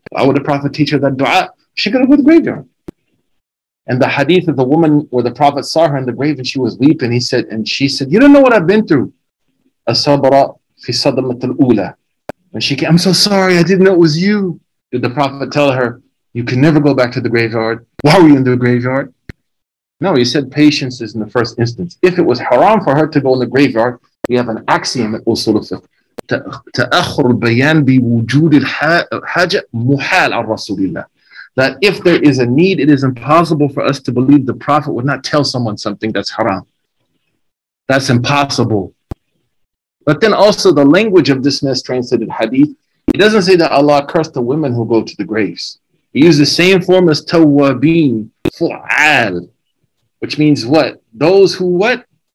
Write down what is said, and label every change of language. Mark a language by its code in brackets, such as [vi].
[en] Why would the Prophet teach her that dua? She could have gone to the graveyard. And the hadith of the woman where the Prophet saw her in the grave and she was weeping, he said, and she said, you don't know what I've been through. As-sabra fi sadamat al-ula. And she came, "I'm so sorry, I didn't know it was you." Did the Prophet tell her, "You can never go back to the graveyard. Why were you in the graveyard?" No, he said patience is in the first instance. If it was haram for her to go in the graveyard, we have an axiom at Usul al-Fiqh. [ar] تأخر البيان بوجود الحاجة محال على رسول الله. [en] That if there is a need, it is impossible for us to believe the Prophet would not tell someone something that's haram. That's impossible. But then also the language of this mistranslated hadith, he doesn't say that Allah cursed the women who go to the graves. He used the same form as tawwabin, fu'al, which means what? Those who what?